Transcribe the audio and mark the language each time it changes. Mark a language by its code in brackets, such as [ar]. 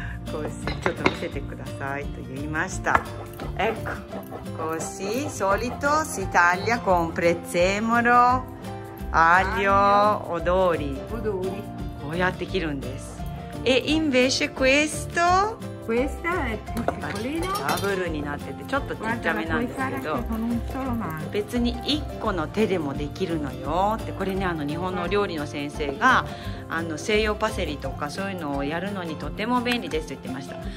[ja] Così, ちょっと見せてくださいと言いました。 [it] Ecco così solito si taglia con prezzemolo, aglio, odori. [ja] こうやって切るんです。 [it] E invece questo? Questa è più piccolino, [ja] ダブルになっててちょっとちっちゃめなんですけど、別に1個の手でもできるのよって。これね、あの日本の料理の先生があの西洋パセリとかそういうのをやるのにとても便利ですと言ってました。